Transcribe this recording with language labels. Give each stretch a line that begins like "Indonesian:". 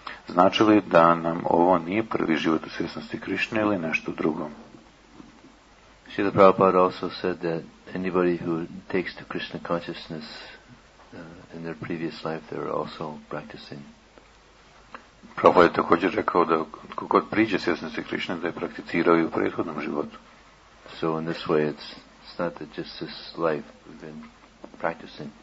Croatian: Znači li da nam ovo nije prvi život u svjesnosti Krišne ili nešto drugo?
English: Šrila Prabhupada also said that anybody who takes to Krishna consciousness in their previous life they were also practicing.
Croatian: Prabhupada je također rekao da kako priđe svjesnosti Krišne da je prakticirao i u prethodnom životu.
English: So in this way it's not that just this life we've been practicing.